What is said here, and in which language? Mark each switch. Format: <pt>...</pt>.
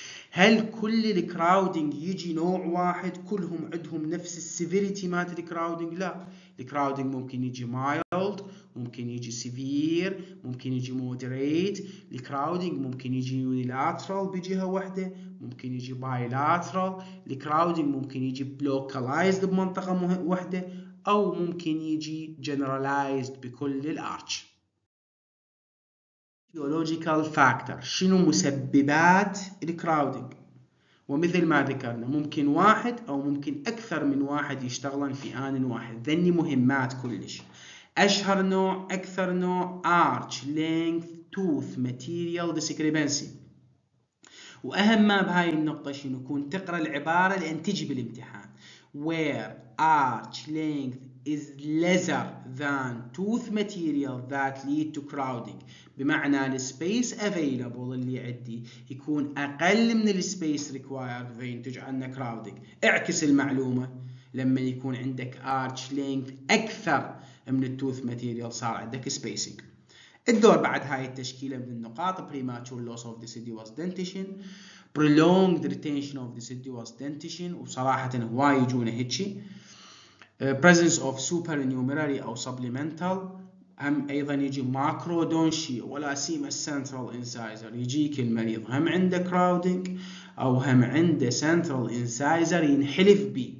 <ar>هل كل الكراودنج يجي نوع واحد كلهم عندهم نفس السيفيريتي مالت الكراودنج؟ لا، الكراودنج ممكن يجي مايلد، ممكن يجي سيفير، ممكن يجي مودريت، الكراودنج ممكن يجي يونيلاترال بجهه واحده، ممكن يجي بايلاترال، الكراودنج ممكن يجي بلوكالايزد بمنطقه واحده، او ممكن يجي جنرالايزد بكل الارتش. Physiological factor شنو مسببات الكراودنج؟ ومثل ما ذكرنا ممكن واحد أو ممكن أكثر من واحد يشتغلن في آن واحد، ذني مهمات كلش. أشهر نوع أكثر نوع Arch Length Tooth Material Discrepancy. وأهم ما بهاي النقطة شنو؟ كون تقرأ العبارة لأن تجي بالامتحان.</ar> <en>Where arch length is lesser than tooth material that lead to crowding.</en> <ar>بمعنى</ar> <en>the space available</en> <ar>اللي عندي يكون أقل من</ar> <en>the space required</en> <ar>فينتج عنا crowding. اعكس المعلومة، لما يكون عندك arch length أكثر من التوث ماتيريال صار عندك سبيسينج. الدور بعد هاي التشكيلة من النقاط بريماتشور لوس اوف ديسيديوس دنتيشن، برولونج ريتينشن اوف ديسيديوس دنتيشن، وصراحة هواي يجونا هيجي بريزنس اوف سوبر نيوميراري او سبليمنتال، هم ايضا يجي ماكرو دونشي ولا سيما سنترال انسايزر، يجيك المريض هم عنده كراودينج او هم عنده سنترال انسايزر ينحلف بي.</ar>